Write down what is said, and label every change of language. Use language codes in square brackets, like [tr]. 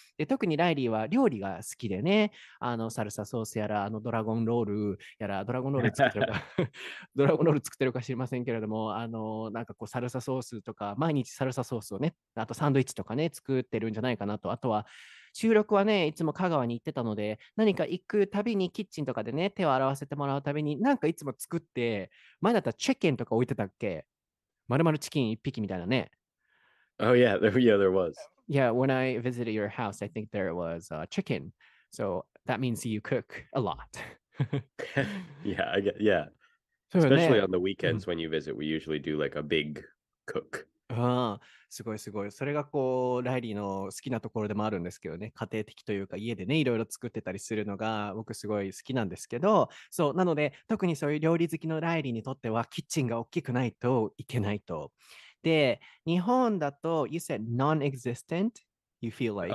[ja] で特にライリーは料理が好きでね、あのサルサソースやらあのドラゴンロールやらドラゴンロール作ってるかドラゴンロール作ってるか知りませんけれども、あのなんかこうサルサソースとか毎日サルサソースをね、あとサンドイッチとかね作ってるんじゃないかなと。あとは収録はねいつも香川に行ってたので、何か行くたびにキッチンとかでね手を洗わせてもらうたびになんかいつも作って、前だったらチキンとか置いてたっけ、まるまるチキン一匹みたいなね。 [en] Oh yeah, there was. Yeah, when I visited your house, I think there was a chicken. So that means you cook a lot. Yeah, I guess, yeah. Especially on the weekends when you visit, we usually do like a big cook. [ja] ああすごいすごい。それがこうライリーの好きなところでもあるんですけどね、家庭的というか家でねいろいろ作ってたりするのが僕すごい好きなんですけど、そうなので特にそういう料理好きのライリーにとってはキッチンが大きくないといけないと。で日本だと [en] You said non-existent? You feel like?